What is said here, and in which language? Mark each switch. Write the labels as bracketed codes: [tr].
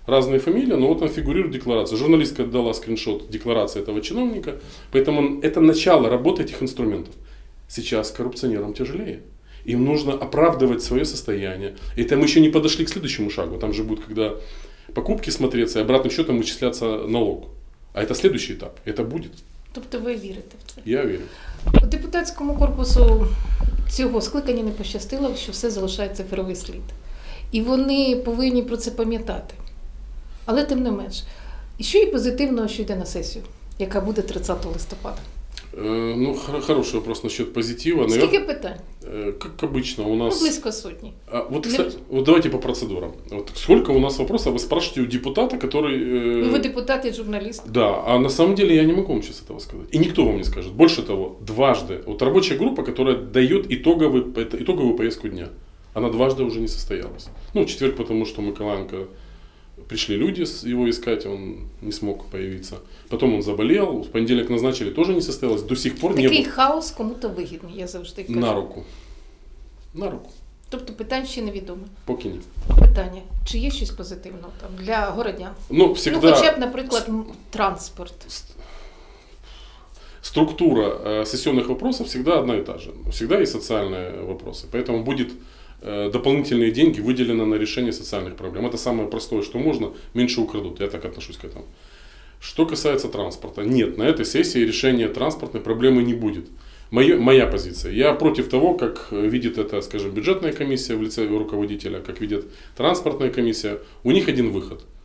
[ru] Разные фамилии, но вот там фигурирует декларация. Журналистка отдала скриншот декларации этого чиновника. Поэтому это начало работы этих инструментов. Сейчас коррупционерам тяжелее. Им нужно оправдывать свое состояние. И там еще не подошли к следующему шагу. Там же будет, когда покупки смотреться и обратным счетом вычисляться налог. А это следующий этап. Это будет. [uk] Тобто ви вірите в це? Я вірю. Депутатському корпусу цього скликання не пощастило, що все залишається цифровий слід. І вони повинні про це пам'ятати. Але тим не менш. І що є позитивного, що йде на сесію, яка буде 30 листопада? [ru] Ну, хороший вопрос насчет позитива. [uk] Скільки питань? [ru] Как обычно у нас... [uk] Ну, близько сотні. [ru] А, вот, кстати, вот давайте по процедурам. Вот сколько у нас вопросов, вы спрашиваете у депутата, который... Вы депутат и журналист. Да, а на самом деле я не могу вам сейчас этого сказать. И никто вам не скажет. Больше того, дважды. Вот рабочая группа, которая дает итоговую поездку дня, она дважды уже не состоялась. Ну, в четверг, потому что Миколаенко... Пришли люди его искать, он не смог появиться. Потом он заболел, в понедельник назначили, тоже не состоялось. До сих пор [uk] такий [ru] не было. [uk] Такий [ru] хаос кому-то выгодный, [uk] я завжди кажу. [ru] На руку. На руку. [uk] Тобто питань ще невідомо. Поки ні. Питання. Чи є щось позитивного там для городян? [ru] Ну, всегда... [uk] Ну, хоча б, наприклад, транспорт. Структура сесійних вопросів завжди одна і та ж. Всегда є соціальні вопроси. [ru] Поэтому будет... дополнительные деньги выделены на решение социальных проблем. Это самое простое, что можно, меньше украдут. Я так отношусь к этому. Что касается транспорта. Нет, на этой сессии решения транспортной проблемы не будет. Моя позиция. Я против того, как видит это, скажем, бюджетная комиссия в лице руководителя, как видит транспортная комиссия. У них один выход.